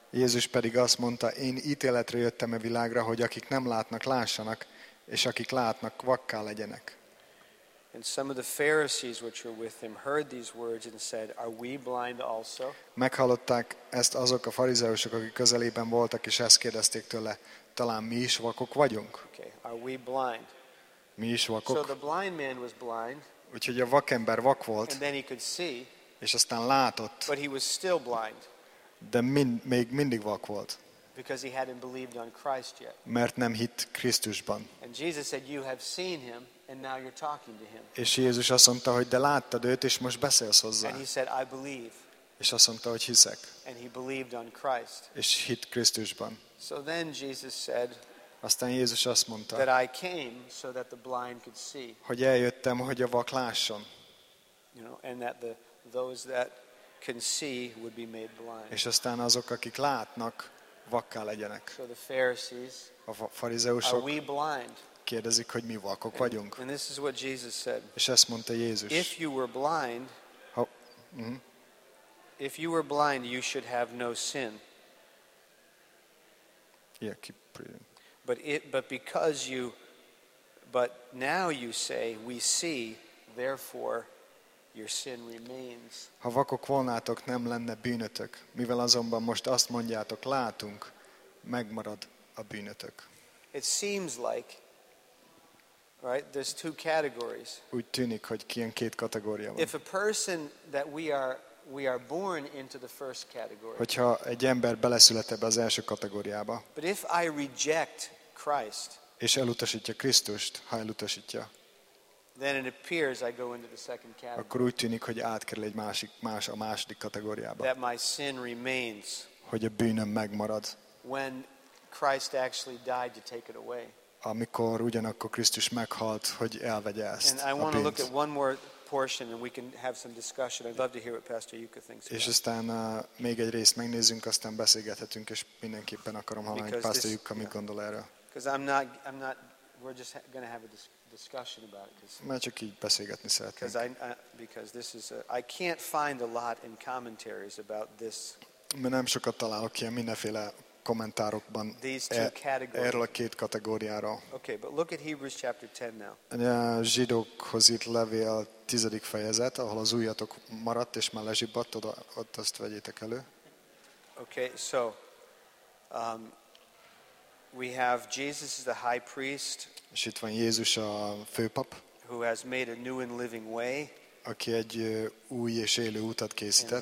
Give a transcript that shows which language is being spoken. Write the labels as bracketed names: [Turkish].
[Hungarian] Jézus pedig azt mondta, én ítéletre jöttem a világra, hogy akik nem látnak, lássanak, és akik látnak, vakká legyenek. [English] And some of the Pharisees which were with him heard these words and said, "Are we blind also?" [Hungarian] Meghallották ezt azok a farizeusok, akik közelében voltak, és ezt kérdezték tőle, talán mi is vakok vagyunk? [English] Okay, are we blind? [Hungarian] Mi is vakok? [English] So the blind man was blind. [Hungarian] Úgyhogy a vakember vak volt. [English] And then he could see. [Hungarian] És aztán látott. [English] But he was still blind. [Hungarian] De még mindig vak volt. [English] Because he hadn't believed on Christ yet. [Hungarian] Mert nem hitt Krisztusban. [English] And Jesus said, "You have seen him." And now you're talking to him. [Hungarian] És Jézus azt mondta, hogy de láttad őt, és most beszélsz hozzá. [English] And he said, "I believe." [Hungarian] És azt mondta, hogy hiszek. [English] And he believed on Christ. [Hungarian] És hitt Krisztusban. [English] So then Jesus said, [Hungarian] aztán Jézus azt mondta, [English] that I came so that the blind could see. [Hungarian] Hogy eljöttem, hogy a vak lásson. [English] You know, and that those that can see would be made blind. [Hungarian] És aztán azok, akik látnak, vakká legyenek. [English] So the Pharisees, [Hungarian] a farizeusok, [English] are we blind? [Hungarian] Kérdezik, hogy mi vakok vagyunk. [English] And this is what Jesus said. [Hungarian] És ezt mondta Jézus. [English] If you were blind, if you were blind, you should have no sin. Yeah, keep reading. But now you say, we see, therefore your sin remains. [Hungarian] Ha vakok volnátok, nem lenne bűnötök. Mivel azonban most azt mondjátok, látunk, megmarad a bűnötök. [English] It seems like Right? There's two categories. [Hungarian] Úgy tűnik, hogy ilyen két kategória van. [English] If a person that we are born into the first category. [Hungarian] Hogyha egy ember beleszület ebbe az első kategóriába. [English] But if I reject Christ. [Hungarian] És elutasítja Krisztust, ha elutasítja. [English] Then it appears I go into the second category. [Hungarian] Akkor úgy tűnik, hogy átkerül egy másik, a második kategóriába. [English] That my sin remains. [Hungarian] Hogy a bűnöm megmarad. [English] When Christ actually died to take it away. [Hungarian] Amikor ugyanakkor Krisztus meghalt, hogy elvegye ezt. [English] And I want to look at one more portion and we can have some discussion. I'd love to hear what Pastor Yuka thinks. [Hungarian] És aztán még egy részt megnézzünk, aztán beszélgethetünk, és mindenképpen akarom hallani, hogy Pastor Yuka mit gondol erről. [English] Because I'm not we're just going to have a discussion about it I can't find a lot in commentaries about this. [Hungarian] Mert nem sokat találok ilyen mindenféle kommentárokban erről a két kategóriáról. [English] Okay, but look at Hebrews chapter 10 now. [Hungarian] A zsidókhoz írt levél 10. fejezet, ahol az újatok maradt és már lezsibbadt, ott azt vegyétek elő. [English] Okay, so we have Jesus is the high priest. [Hungarian] És itt van Jézus a főpap. [English] Who has made a new and living way. [Hungarian] Aki egy új és élő utat készített.